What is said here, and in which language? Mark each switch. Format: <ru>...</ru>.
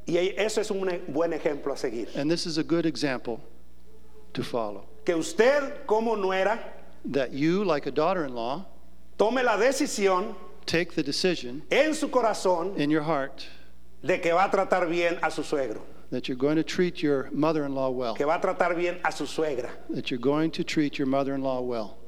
<es>Y eso es un buen ejemplo a seguir.</es> <en>And this is a good example to follow.</en> <es>Que usted como nuera.</es> <en>That you, like a daughter-in-law.</en> <es>Tome la decisión.</es> <en>Take the decision.</en> <es>En su corazón.</es> <en>In your heart.</en> <es>De que va a tratar bien a su suegro.</es> <en>That you're going to treat your mother-in-law well.</en> <es>Que va a tratar bien a su suegra.</es> <en>That you're going to treat your mother-in-law well.</en>